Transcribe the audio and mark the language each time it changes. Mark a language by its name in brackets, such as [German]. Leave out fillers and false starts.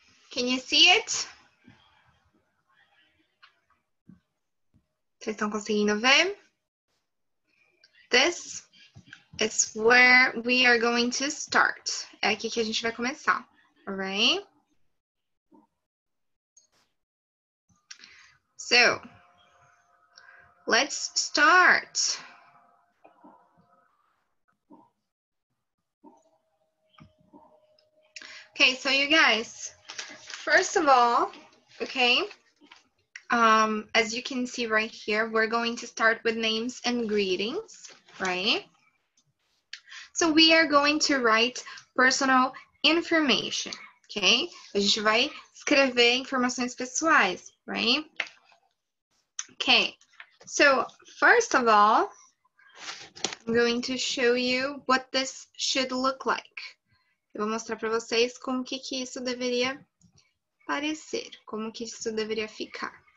[English] Can you see it? [Portuguese] Vocês estão conseguindo ver? [English] This is where we are going to start. [Portuguese] É aqui que a gente vai começar, [English] all right? So, let's start. Okay, so you guys, first of all, okay, as you can see right here, we're going to start with names and greetings. Right? So we are going to write personal information, okay? [Portuguese] A gente vai escrever informações pessoais, right? [English] Okay, so first of all, I'm going to show you what this should look like. [Portuguese] Eu vou mostrar para vocês como que isso deveria parecer, como que isso deveria ficar.